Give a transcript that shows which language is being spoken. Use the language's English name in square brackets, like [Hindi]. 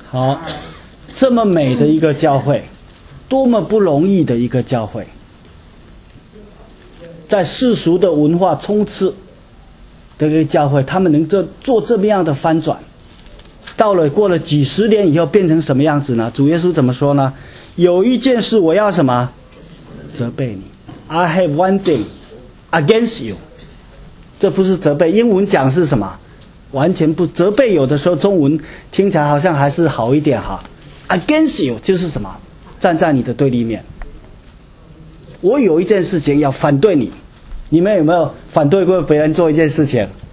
[Chinese] 好，这么美的一个教会，多么不容易的一个教会，在世俗的文化充斥的一个教会，他们能做这么样的翻转，到了过了几十年以后变成什么样子呢？主耶稣怎么说呢？有一件事我要什么？责备你。 [English] I have one thing against you。 [Chinese] 这不是责备，英文讲是什么？完全不责备，有的时候中文听起来好像还是好一点哈。 Against you 就是什么？站在你的对立面。我有一件事情要反对你，你们有没有反对过别人做一件事情？